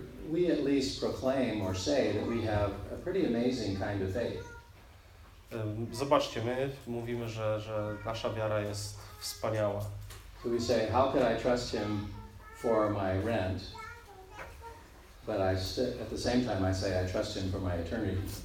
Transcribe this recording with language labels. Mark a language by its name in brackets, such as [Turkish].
[English] We at least proclaim or say that we have a pretty amazing kind of faith. [Polish] Zobaczcie, my mówimy, że nasza wiara jest wspaniała. [English] So we say, how can I trust him for my rent? But I at the same time I say I trust him for my eternity.